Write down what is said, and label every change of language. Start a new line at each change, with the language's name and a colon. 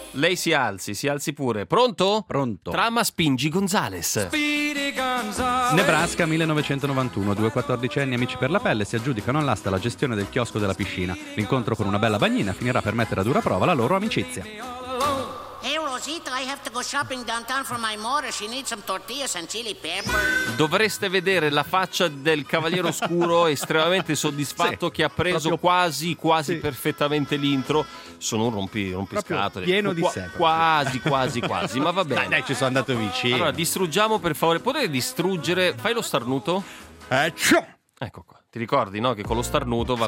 Italian: Lei si alzi pure. Pronto? Pronto. Trama Spingi Gonzales. Nebraska 1991, due quattordicenni amici per la pelle si aggiudicano all'asta la gestione del chiosco della piscina. L'incontro con una bella bagnina finirà per mettere a dura prova la loro amicizia.
English: I have to go shopping downtown for my mother. She needs some tortillas and chili pepper.
Italian: Dovreste vedere la faccia del cavaliere oscuro estremamente soddisfatto, sì, che ha preso proprio, quasi sì, perfettamente l'intro. Sono un rompiscatole pieno di sé. Quasi ma va bene. Dai, ci sono andato vicino. Allora distruggiamo per favore. Potete distruggere? Fai lo starnuto. Ecco qua. Ti ricordi, no? Che con lo starnuto va,